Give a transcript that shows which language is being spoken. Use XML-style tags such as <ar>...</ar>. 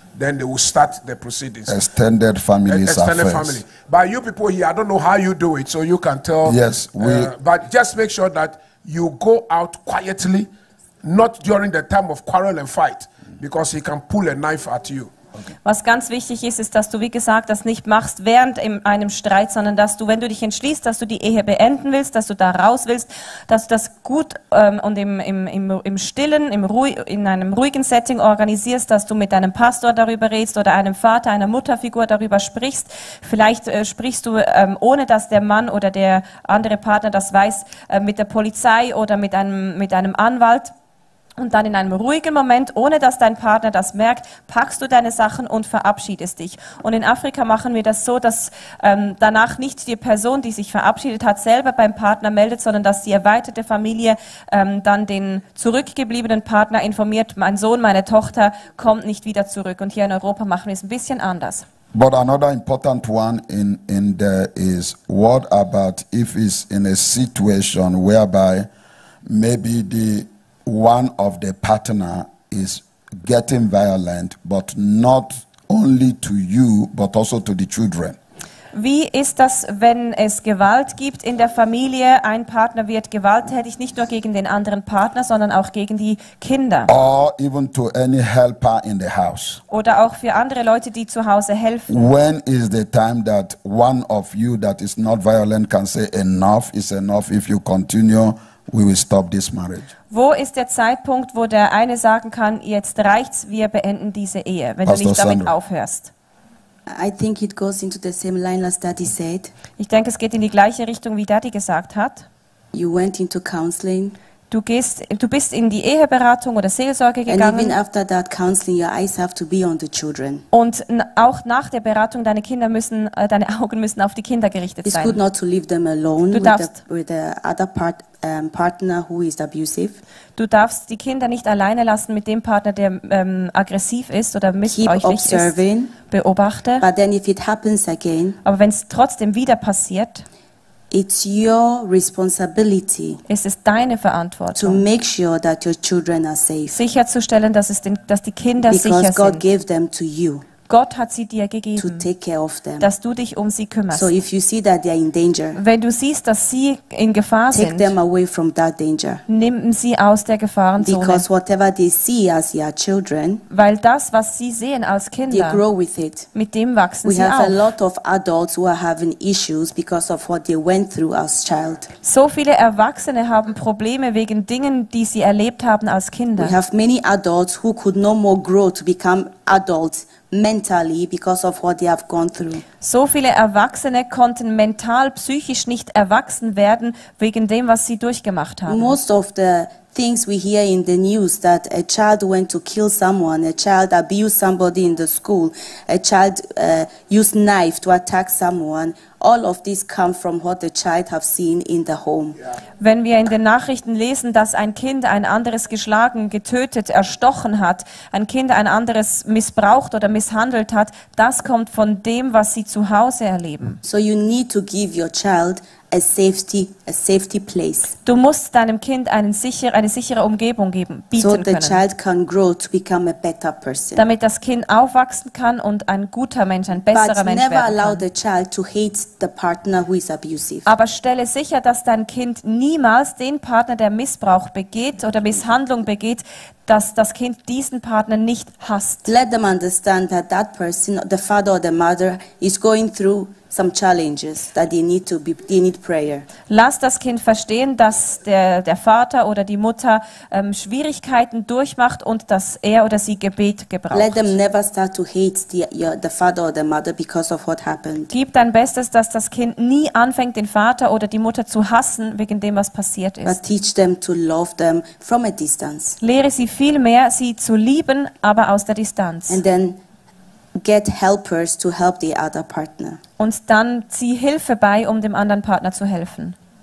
<en>Then they will start the proceedings. Extended families affairs. Extended family. But you people here, I don't know how you do it, so you can tell. Yes, we. But just make sure that you go out quietly. Not during the time of quarrel and fight, because he can pull a knife at you. Okay.</en> <de>Was ganz wichtig ist, dass du, wie gesagt, das nicht machst während einem Streit, sondern dass du, wenn du dich entschließt, dass du die Ehe beenden willst, dass du da raus willst, dass du das gut und im Stillen, in einem ruhigen Setting organisierst, dass du mit deinem Pastor darüber redest oder einem Vater, einer Mutterfigur darüber sprichst. Vielleicht sprichst du, ohne dass der Mann oder der andere Partner das weiß, mit der Polizei oder mit einem Anwalt. Und dann in einem ruhigen Moment, ohne dass dein Partner das merkt, packst du deine Sachen und verabschiedest dich. Und in Afrika machen wir das so, dass danach nicht die Person, die sich verabschiedet hat, selber beim Partner meldet, sondern dass die erweiterte Familie dann den zurückgebliebenen Partner informiert, mein Sohn, meine Tochter kommt nicht wieder zurück. Und hier in Europa machen wir es ein bisschen anders.</de> <en>But another important one in there is, what about if it's in a situation whereby maybe the one of the partner is getting violent, but not only to you, but also to the children.</en> <de>Wie ist das, wenn es Gewalt gibt in der Familie? Ein Partner wird gewalttätig, nicht nur gegen den anderen Partner, sondern auch gegen die Kinder.</de> <en>Or even to any helper in the house.</en> <de>Oder auch für andere Leute, die zu Hause helfen.</de> <en>When is the time that one of you that is not violent can say enough is enough, if you continue, we will stop this marriage?</en> <de>Wo ist der Zeitpunkt, wo der eine sagen kann, jetzt reicht's, wir beenden diese Ehe, wenn Pastor du nicht damit Sandra. Aufhörst?</de> <en>I think it goes into the same line as Daddy said.</en> <de>Ich denke, es geht in die gleiche Richtung, wie Daddy gesagt hat.</de> <en>You went into counseling.</en> <de>Du bist in die Eheberatung oder Seelsorge gegangen.</de> <en>And even after that counseling, your eyes have to be on the children.</en> <de>Und auch nach der Beratung, deine Augen müssen auf die Kinder gerichtet sein.</de> <en>It's good not to leave them alone with the other part. Partner who is abusive.</en> <de>Du darfst die Kinder nicht alleine lassen mit dem Partner, der aggressiv ist oder missbräuchlich ist. Beobachte.</de> <en>But then if it happens again,</en> <de>aber wenn es trotzdem wieder passiert,</de> <en>it's your responsibility,</en> <de>es ist deine Verantwortung,</de> <en>to make sure that your children are safe.</en> <de>Sicherzustellen, dass die Kinder</de> <en>Because</en> <de>sicher</de> <en>God God gave them to you.</en> <de>Gott hat sie dir gegeben,</de> <en>to take care of them.</en> <de>Dass du dich um sie kümmerst.</de> <en>So if you see that they are in danger,</en> <de>wenn du siehst, dass sie in Gefahr</de> <en>take</en> <de>sind,</de> <en>them away from that danger.</en> <de>Nimm sie aus der Gefahrenzone.</de> <en>Because whatever they see as your children,</en> <de>weil das, was sie sehen als Kinder,</de> <en>they grow with it.</en> <de>Mit dem wachsen</de> <en>we</en> <de>sie</de> <en>have</en> <de>auf.</de> <en>A lot of adults who are having issues because of what they went through as child.</en> <de>So viele Erwachsene haben Probleme wegen Dingen, die sie erlebt haben als Kinder.</de> <en>We have many adults who could no more grow to become adults mentally because of what they have gone through.</en> <de>So viele Erwachsene konnten mental, psychisch nicht erwachsen werden wegen dem, was sie durchgemacht haben.</de> <en>Most of the things we hear in the news that a child went to kill someone, a child abused somebody in the school, a child used knife to attack someone. All of this come from what the child have seen in the home.</en> <de>Wenn wir in den Nachrichten lesen, dass ein Kind ein anderes geschlagen, getötet, erstochen hat, ein Kind ein anderes missbraucht oder misshandelt hat, das kommt von dem, was sie zu Hause erleben.</de> <en>So you need to give your child a safety place.</en> <de>Du musst deinem Kind eine sichere Umgebung geben, bieten können.</de> <en>So the child can grow to become a better person.</en> <de>Damit das Kind aufwachsen kann und ein guter Mensch, ein besserer Mensch werden kann.</de> <en>But never allow the child to hate the partner who is abusive.</en> <de>Aber stelle sicher, dass dein Kind niemals den Partner, der Missbrauch begeht oder Misshandlung begeht, dass das Kind diesen Partner nicht hasst.</de> <en>Let them understand that that person, the father or the mother, is going through some challenges that they need prayer.</en> <de>Lass das Kind verstehen, dass der Vater oder die Mutter Schwierigkeiten durchmacht und dass er oder sie Gebet gebraucht.</de> <en>Let them never start to hate the father or the mother because of what happened.</en> <de>Gib dein Bestes, dass das Kind nie anfängt, den Vater oder die Mutter zu hassen wegen dem, was passiert ist.</de> <en>But teach them to love them from a distance.</en> <de>Lehre sie viel mehr, sie zu lieben, aber aus der Distanz.</de> <en>And then get helpers to help the other partner.</en> <de>Und dann zieh Hilfe bei, um dem anderen Partner zu helfen.</de>